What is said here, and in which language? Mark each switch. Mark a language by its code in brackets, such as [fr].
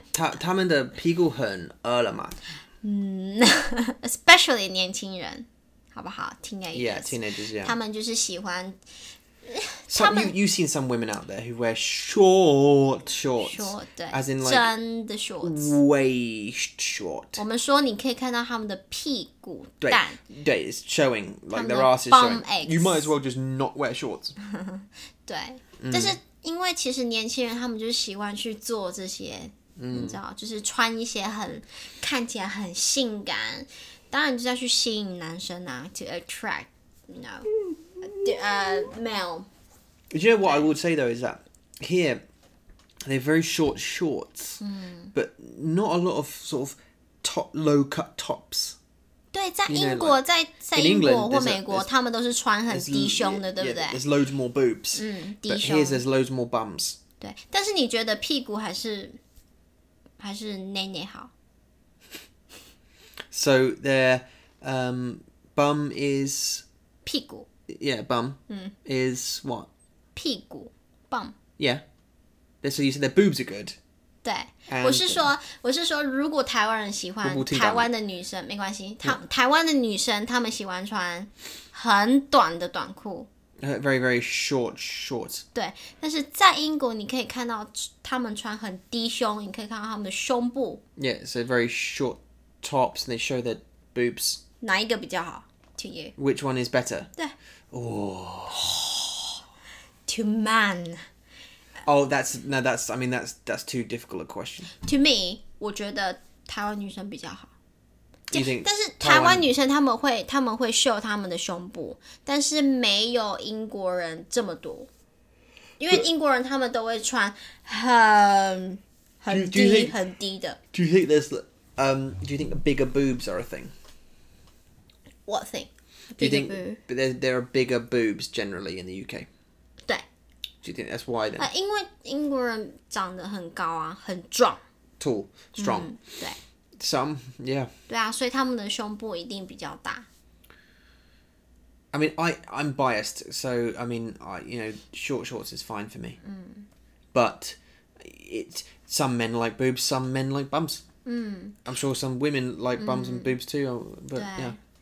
[zh] 他们的屁股很饿了嘛。嗯，especially 年轻人，好不好 ？Teenagers， [en] yeah， teenagers， yeah。 [zh] 他们就是喜欢。 [en] Some you seen some women out there who wear short shorts, as in like [zh] 真的 shorts, [en] waist short. [zh] 我们说你可以看到他们的屁股蛋，对，对 [en] it's showing like their ass is showing. You might as well just not wear shorts. [zh] 对，但是因为其实年轻人他们就是喜欢去做这些，你知道，就是穿一些很看起来很性感，当然就是要去吸引男生啊 ， [en] to attract, you know. Male. Do you know what I would say though is that here they're very short shorts, but not a lot of sort of top low cut tops. [zh] 对，在英国，在英国或美国，他们都是穿很低胸的，对不对 [en] ？There's loads more boobs. [zh] 嗯，低胸。 [en] But here there's loads more bums. [zh] 对，但是你觉得屁股还是内内好 [en] ？So their bum is [zh] 屁股。 [en] Yeah, bum、 [zh] 嗯、 [en] is what? [zh] 屁股 bum. [en] Yeah. So you said their boobs are good. [zh] 对，我是说，如果台湾人喜欢台湾的女生，没关系。台湾的女生，她们喜欢穿很短的短裤。 [en] Very very short shorts. [zh] 对，但是在英国你可以看到她们穿很低胸，你可以看到她们的胸部。 [en] Yeah, so very short tops, and they show their boobs. [zh] 哪一个比较好？ [en] To you. Which one is better? To man. That's too difficult a question. To me, [zh] 我觉得台湾女生比较好。 [en] You think? [zh] 但是台湾女生她们会秀她们的胸部，但是没有英国人这么多，因为英国人他们都会穿很低的。 [en] Do you think there's do you think bigger boobs are a thing? What thing? Do you think there are bigger boobs generally in the UK? [zh] 对 [en] Do you think that's why then? [zh] 因为英国人长得很高啊，很壮 [en] Tall, strong、 [zh] 嗯、对 [en] Some, yeah [zh] 对啊，所以他们的胸部一定比较大 [en] I mean, I'm biased So, I mean, I, you know, short shorts is fine for me、 [zh] 嗯、 [en] But some men like boobs, some men like bums、 [zh] 嗯、 [en] I'm sure some women like bums、 [zh] 嗯、 [en] and boobs too But, yeah